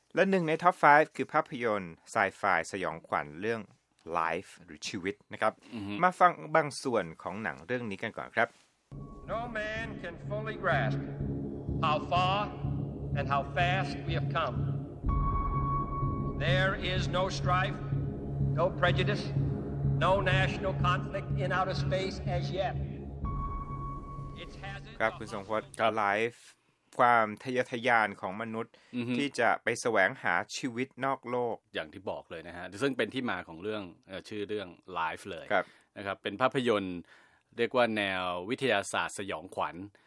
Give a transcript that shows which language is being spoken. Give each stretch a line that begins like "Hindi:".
Thai: และหนึ่งในท็อป5คือภาพยนตร์ไซไฟสยองขวัญเรื่อง Life หรือชีวิตนะครับ มาฟังบางส่วนของหนังเรื่องนี้กันก่อนครับ
English: No man can fully grasp how far and how fast we have come. There is no strife, no prejudice, no national conflict in outer space as yet.
Thai: ครับคุณสงฆ์ก็ไลฟ์ความทะเยอทะยานของมนุษย์ ที่จะไปแสวงหาชีวิตนอกโลก อย่างที่บอกเลยนะฮะซึ่งเป็นที่มาของเรื่องชื่อเรื่องไลฟ์เลยนะครับเป็นภาพยนตร์เรียกว่าแนววิทยาศาสตร์สยองขวัญ